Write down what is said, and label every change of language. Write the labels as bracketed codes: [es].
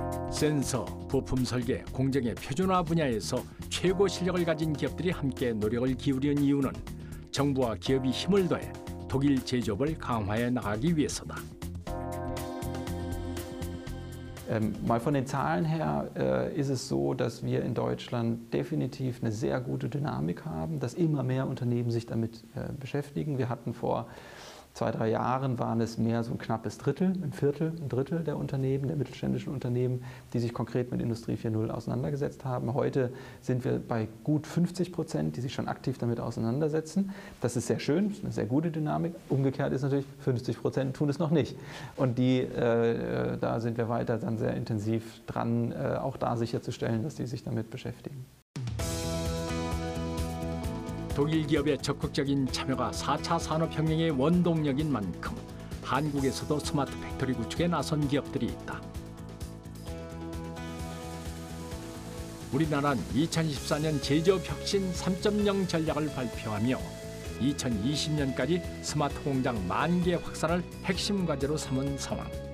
[ko] 센서, 부품 설계, 공정의 표준화 분야에서 최고 실력을 가진 기업들이 함께 노력을 기울인 이유는 정부와 기업이 힘을 더해 독일 제조업을 강화해 나가기 위해서다. [de] Mal von den Zahlen her ist es so, dass wir in Deutschland definitiv eine sehr gute Dynamik haben, dass immer mehr Unternehmen sich damit beschäftigen. Wir hatten vor 2-3 Jahren waren es mehr so ein knappes Drittel, ein Drittel der Unternehmen, der mittelständischen Unternehmen, die sich konkret mit Industrie 4.0 auseinandergesetzt haben. Heute sind wir bei gut 50%, die sich schon aktiv damit auseinandersetzen. Das ist sehr schön, das ist eine sehr gute Dynamik. Umgekehrt ist natürlich, 50% tun es noch nicht. Und die, da sind wir weiter dann sehr intensiv dran, auch da sicherzustellen, dass die sich damit beschäftigen. [ko] 독일 기업의 적극적인 참여가 4차 산업혁명의 원동력인 만큼 한국에서도 스마트 팩토리 구축에 나선 기업들이 있다. 우리나라는 2014년 제조업 혁신 3.0 전략을 발표하며 2020년까지 스마트 공장 만 개 확산을 핵심 과제로 삼은 상황.